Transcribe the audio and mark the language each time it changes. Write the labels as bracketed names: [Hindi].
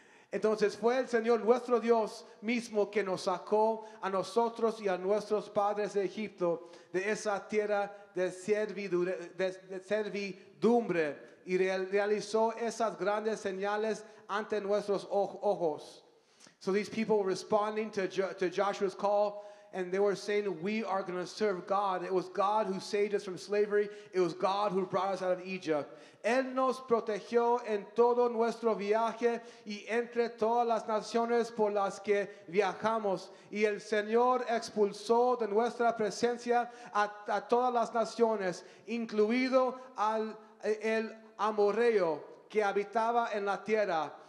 [Spanish] Entonces fue el Señor nuestro Dios mismo que nos sacó a nosotros y a nuestros padres de Egipto, de esa tierra de servidumbre, y realizó esas grandes señales ante nuestros ojos. [English] So these people responding to Joshua's call, and they were saying, we are going to serve God. It was God who saved us from slavery. It was God who brought us out of Egypt. [Spanish] Él nos protegió en todo nuestro viaje y entre todas las naciones por las que viajamos. Y el Señor expulsó de nuestra presencia a todas las naciones, incluido el amorreo que habitaba en la tierra.